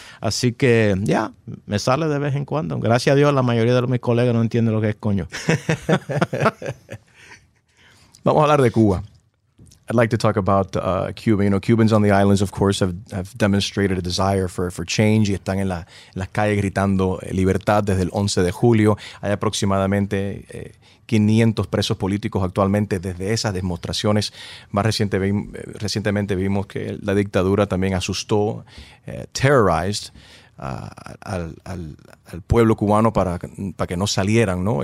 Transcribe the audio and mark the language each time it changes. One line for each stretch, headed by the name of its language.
Spanish: Así que, me sale de vez en cuando. Gracias a Dios, la mayoría de mis colegas no entienden lo que es coño. Vamos a hablar de Cuba.
English: I'd like to talk about Cuba. You know, Cubans on the islands, of course, have demonstrated a desire for change.
Spanish: Y están en la, en las calles gritando libertad desde el 11 de julio. Hay aproximadamente 500 presos políticos actualmente desde esas demostraciones. Más recientemente vimos que la dictadura también asustó, terrorized al pueblo cubano para que no salieran, ¿no?